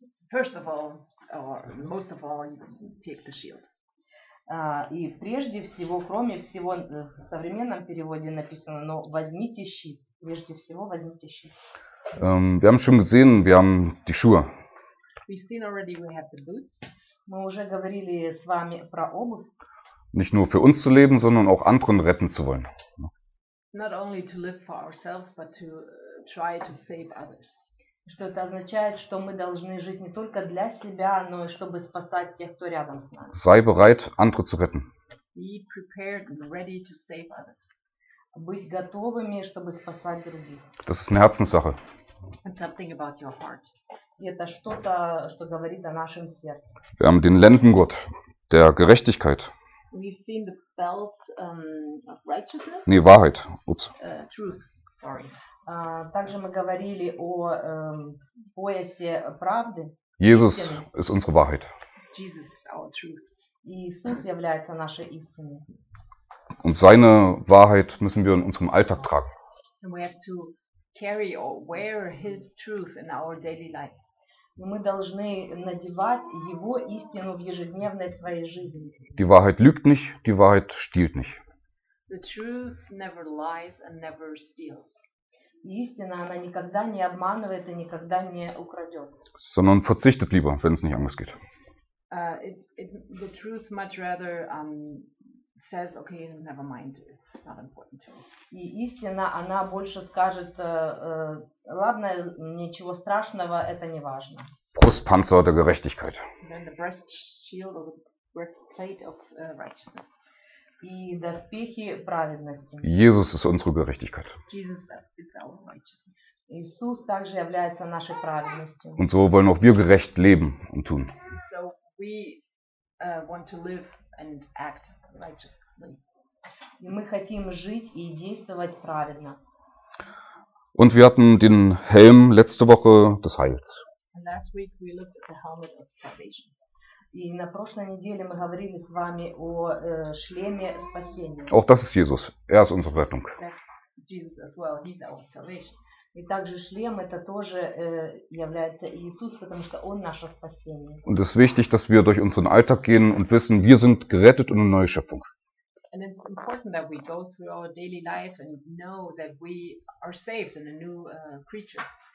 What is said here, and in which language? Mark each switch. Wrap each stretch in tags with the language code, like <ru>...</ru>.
<en>First of all, or most of all, take the shield.</en> <ru>И прежде всего, кроме всего, в современном переводе написано, но возьмите щит. Прежде всего, возьмите щит.</ru> <de>Wir haben schon gesehen, wir haben die Schuhe.</de> <en>We've seen already we have the boots.</en> <ru>Мы уже говорили с вами про обувь.</ru> <de>Nicht nur für uns zu leben, sondern auch anderen retten zu wollen.</de> <en>Not only to live for ourselves, but to try to save others.</en> <ru>Что это означает, что мы должны жить не только для себя, но и чтобы спасать тех, кто рядом с нами.</ru> <de>Sei bereit, andere zu retten.</de> <en>Be prepared and ready to save others.</en> <ru>Быть готовыми, чтобы спасать других.</ru> <de>Das ist eine Herzenssache.</de> <en>It's something about your heart.</en> <ru>И это что-то, что говорит о нашем сердце.</ru> <de>Wir haben den Lendengurt der Gerechtigkeit.</de> <en>We've seen the belt of righteousness.</en> <de>Nee, Wahrheit. Ups.</de> <en>Truth. Sorry.</en> <ru>Также мы говорили о поясе правды.</ru> <de>Jesus ist unsere Wahrheit.</de> <en>Jesus is our truth.</en> <ru>Иисус является нашей истиной.</ru> <de>Und seine Wahrheit müssen wir in unserem Alltag tragen.</de> <en>And we have to carry or wear his truth in our daily life.</en> <ru>И мы должны надевать его истину в ежедневной своей жизни.</ru> <de>Die Wahrheit lügt nicht, die Wahrheit stiehlt nicht.</de> <en>The truth never lies and never steals.</en> <ru>Истина, она никогда не обманывает и никогда не украдет.</ru> <de>Sondern verzichtet lieber, wenn es nicht anders geht.</de> <en>The truth much rather says, okay, never mind, it's not important to me.</en> <ru>И истина, она больше скажет, ладно, ничего страшного, это не важно.</ru> <de>Brustpanzer der Gerechtigkeit.</de> <en>Then the breast shield or the breastplate of righteousness.</en> <ru>И доспехи праведности.</ru> <de>Jesus ist unsere Gerechtigkeit.</de> <en>Jesus is our righteousness.</en> <ru>Иисус также является нашей праведностью.</ru> <de>Und so wollen auch wir gerecht leben und tun.</de> <en>So we want to live and act righteously.</en> <ru>И мы хотим жить и действовать правильно.</ru> <de>Und wir hatten den Helm letzte Woche des Heils.</de> <en>And last week we looked at the helmet of salvation.</en> <ru>И на прошлой неделе мы говорили с вами о шлеме спасения.</ru> <de>Auch das ist Jesus. Er ist unsere Rettung.</de> <en>That's Jesus as well. He's our salvation.</en> <ru>И также шлем это тоже является Иисус, потому что он наше спасение.</ru> <de>Und es ist wichtig, dass wir durch unseren Alltag gehen und wissen, wir sind gerettet und eine neue Schöpfung.</de> <en>And it's important that we go through our daily life and know that we are saved and a new creature.</en>